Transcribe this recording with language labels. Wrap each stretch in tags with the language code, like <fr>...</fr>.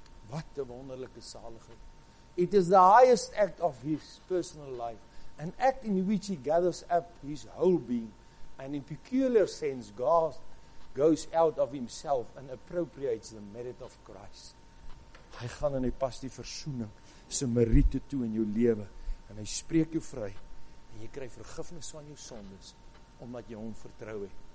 <af>Wat 'n wonderlike saligheid.</af> <en>It is the highest act of his personal life, an act in which he gathers up his whole being, and in peculiar sense, God goes out of himself and appropriates the merit of Christ.</en> <af>Hy gaan en hy pas die versoening, sy meriete toe in jou lewe, en hy spreek jou vry, en jy kry vergifnis van jou sondes, omdat jy hom vertrou het.</af>